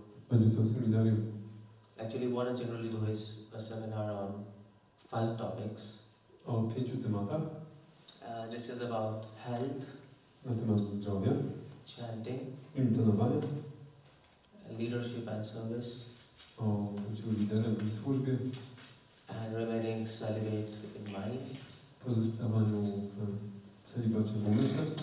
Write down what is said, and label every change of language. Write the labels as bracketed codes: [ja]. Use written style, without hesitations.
[pl] Pandito Seminarium. [en] Actually, what I generally do is a seminar on 5 topics. [pl] O 5 tematach. [en] This is about health. [pl] Na temat zdrowia. [en] Chanting. [pl] Intonowanie. [en] Leadership and service. [pl] O byciu liderem i służbie. [en] And remaining celibate in mind. [pl] Pozostawaniu w celibacie w umyśle.